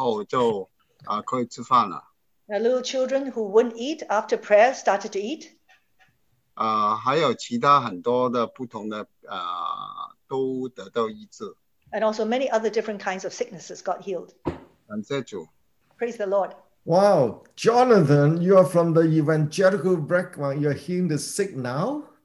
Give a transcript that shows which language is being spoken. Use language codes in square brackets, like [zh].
[zh] 还有就是孩子不吃饭，祷告完以后就可以吃饭了。 The [en] little children who wouldn't eat after prayer started to eat. [zh] 还有其他很多的不同的都得到医治。 And [en] also many other different kinds of sicknesses got healed. [zh] 感谢主。 [en] Praise the Lord. Wow, Jonathan, you are from the evangelical background. You're healing the sick now?